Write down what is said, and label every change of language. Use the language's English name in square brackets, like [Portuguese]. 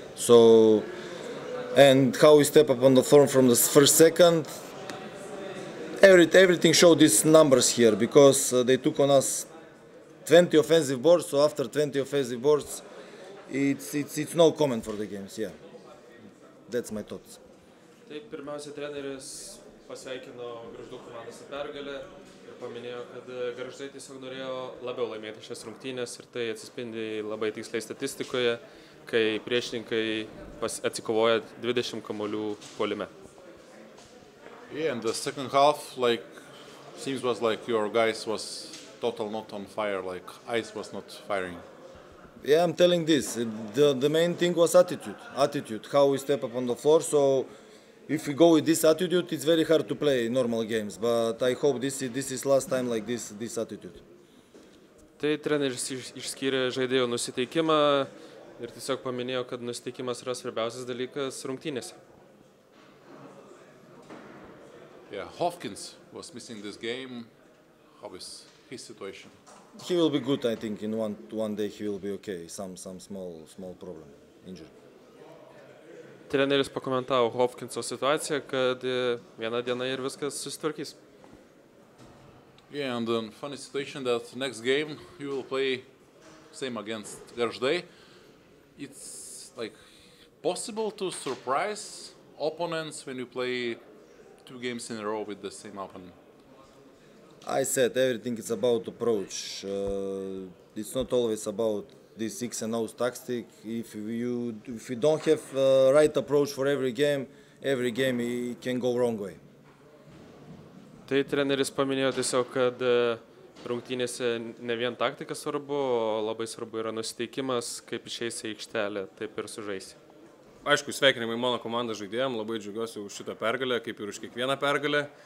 [English] So, and how we step up on the form from the first second, everything showed these numbers here, because they took on us 20 offensive boards, so after 20 offensive boards, it's no comment for the games, yeah. That's my thoughts. [Lithuanian] Taip, pirmiausia, treneris pasveikino Gargždų komandą su pergale ir paminėjo, kad Gargždai tiesiog norėjo labiau laimėti šias rungtynes ir tai atsispindi labai tiksliai statistikoje, kai priešininkai atsikovoja 20 kamuolių puolime. [English] Yeah, in the second half, like, seems was like your guys was total not on fire, like, ice was not firing. Yeah, I'm telling this. The main thing was attitude. Attitude, how we step up on the floor. So, if we go with this attitude, it's very hard to play normal games. But I hope this is last time like this attitude. [Lithuanian] Tai treneris išskyrė žaidėjų nusiteikimą ir tiesiog paminėjo, kad nusiteikimas yra svarbiausias dalykas rungtynėse. [English] Yeah, Hopkins was missing this game. How is his situation? He will be good, I think. In one day he will be okay. Some small problem, injury. [Lithuanian] Treneris pakomentavo Hopkinso situaciją, kad viena diena ir viskas susitvarkys. [English] Yeah, and then funny situation that next game you will play same against Gargždai. It's like possible to surprise opponents when you play two games in a row with the same opponent. I said everything is about approach. It's not always about this X and O tactic. If you don't have right approach for every game it can go wrong way. [Lithuanian] Tai treneris paminėjo tiesiog, kad rungtynėse ne vien taktika svarbu, o labai svarbu yra nusiteikimas, kaip išeisi į aikštelę, taip ir sužaisi. Aišku, sveikinimai mano komandą žaidėjom, labai džiugiuosi už šitą pergalę, kaip ir už kiekvieną pergalę.